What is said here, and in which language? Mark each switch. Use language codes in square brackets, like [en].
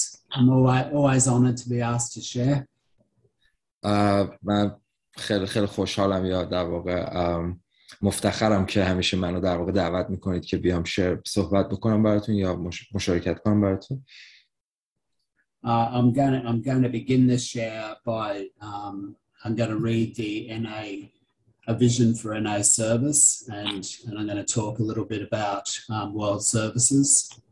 [en] I'm always honored to be asked to share. [fa] من خیلی خیلی خوشحالم یا در واقع مفتخرم که همیشه منو در واقع دعوت میکنید که بیام شیر صحبت بکنم براتون یا مشارکت کنم براتون. [en] I'm going to begin this share by I'm going to read the NA a vision for NA service and I'm going to talk a little bit about world services.